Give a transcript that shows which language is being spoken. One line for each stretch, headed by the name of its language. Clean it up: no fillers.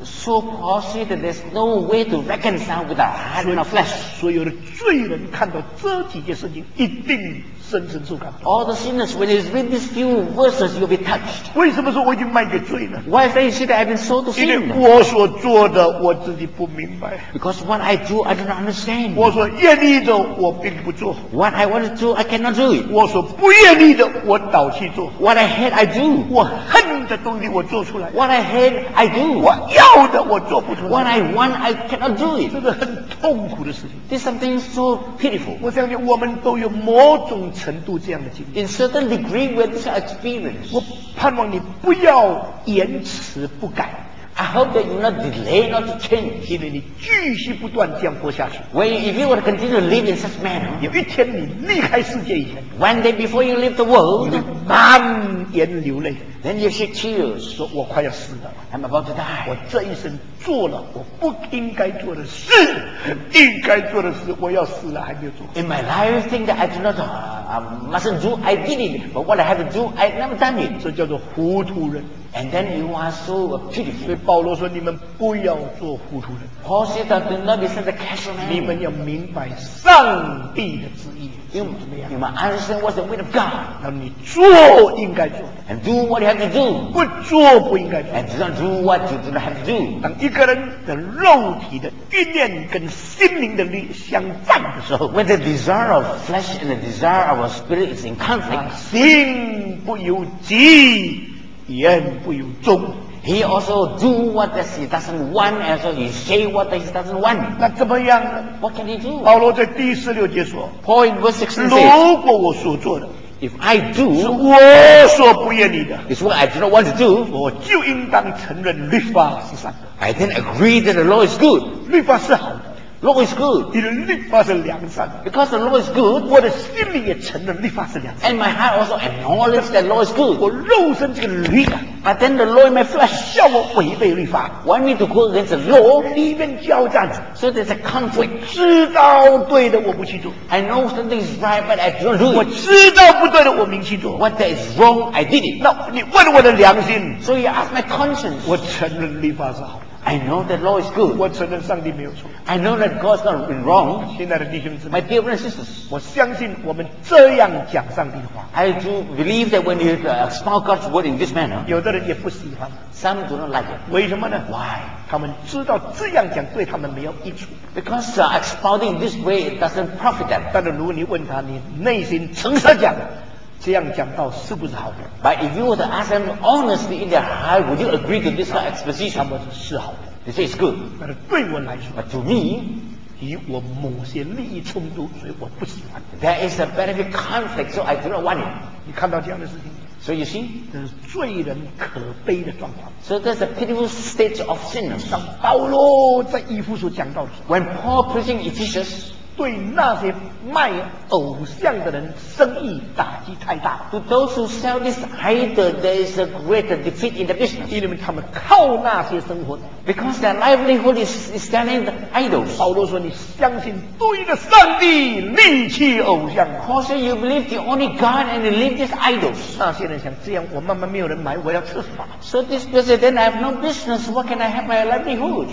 English: So Paul said that there's no way to reconcile with the heart and the flesh.
Chinese: 所有的罪人看到这几件事情，一定深深受感动。
English: All the sinners, when they read these few verses, you'll be touched.
Chinese: 为什么说我已经卖给罪呢？
English: Why they say that I've been sold to sin?
Chinese: 因为我所做的我自己不明白。
English: Because what I do, I don't understand.
Chinese: 我所愿意的我并不做。
English: What I want to do, I cannot do it.
Chinese: 我所不愿意的我倒去做。
English: What I hate, I do.
Chinese: 我恨的东西我做出来。
English: What I hate, I do.
Chinese: 我要的我做不出来。
English: What I want, I cannot do it.
Chinese: 这是很痛苦的事情。
English: This is something so pitiful.
Chinese: 我相信我们都有某种程度这样的经历。
English: In certain degree, we have this experience.
Chinese: 我盼望你不要延迟不改。
English: I hope that you're not delayed, not to change.
Chinese: 因为你继续不断这样过下去。
English: When you, if you were to continue to live in such manner,
Chinese: 有一天你离开世界以前
English: ，One day before you leave the world,
Chinese: 你满眼流泪
English: ，Then you shed tears.
Chinese: 说我快要死了
English: ，I'm about to die.
Chinese: 我这一生做了我不应该做的事，应该做的事，我要死了还没有做。
English: In my life, things that I do not, mustn't do, I did it. But what I have to do, I never done it.
Chinese: 这叫做糊涂人。
English: And then you are so pitiful.
Chinese: 所以保罗说：“你们不要做糊涂人。”
English: Paul said that do not be such a casual man.
Chinese: 你们要明白上帝的旨意。
English: You must understand what's the will of God.
Chinese: 那你做应该做。
English: And do what you have to do.
Chinese: 不做不应该做。
English: And do not do what you do not have to do.
Chinese: 当一个人的肉体的欲念跟心灵的力相战的时候
English: ，When the desire of flesh and the desire of our spirit is in conflict,
Chinese: 心不由己。言不由衷
English: He also do what he doesn't want and so he say what he doesn't want
Chinese: 那怎么样呢
English: What can he do?
Chinese: 保罗在第十六节说
English: Paul in verse 16
Chinese: 如果我所做的
English: If I do
Chinese: 是我所不愿意的
English: It's what I do not want to do
Chinese: 我就应当承认律法是善的
English: I then agree that the law is good
Chinese: 律法是好的
English: Law is good
Chinese: 你的律法是良善的
English: Because the law is good
Chinese: 我的心里也承认律法是良善的
English: And my heart also acknowledges that law is good
Chinese: 我肉身这个律啊
English: But then the law in my flesh
Chinese: 叫我违背律法
English: Want me to go against the law
Chinese: 里面交战
English: So there's a conflict
Chinese: 知道对的我不去做
English: I know something is right but I don't do it
Chinese: 我知道不对的我明去做
English: What that is wrong I did it
Chinese: 那你问我的良心
English: So you ask my conscience
Chinese: 我承认律法是好的
English: I know that law is good.
Chinese: 我承认上帝没有错。
English: I know that God's not wrong.
Chinese: 亲爱的弟兄姊妹
English: My dear brothers and sisters.
Chinese: 我相信我们这样讲上帝的话。
English: I do believe that when you spell God's word in this manner.
Chinese: 有的人也不喜欢。
English: Some do not like it.
Chinese: 为什么呢
English: ？Why?
Chinese: 他们知道这样讲对他们没有益处。
English: Because expounding this way it doesn't profit them.
Chinese: 但是如果你问他，你内心诚实讲。这样讲道是不是好的
English: But if you were to ask them honestly in their heart, would you agree to this exposition?
Chinese: 他们说是好的
English: They say it's good.
Chinese: 但是对我来说
English: But to me,
Chinese: 与我某些利益冲突，所以我不喜欢
English: There is a benefit conflict, so I do not want it.
Chinese: 你看到这样的事情
English: So you see,
Chinese: 这是罪人可悲的状况
English: So that's a pitiful state of sin.
Chinese: 当保罗在以弗所讲道的时候
English: When Paul preaching Ephesus,
Chinese: 对那些卖偶像的人生意打击太大
English: To those who sell this idol there is a great defeat in the business
Chinese: 因为他们靠那些生活
English: Because their livelihood is selling the idols
Chinese: 保罗说你相信对的上帝力气偶像
English: Because you believe the only God and you leave these idols
Chinese: 那些人想这样我慢慢没有人买我要吃什么
English: So this person then I have no business what can I have my livelihood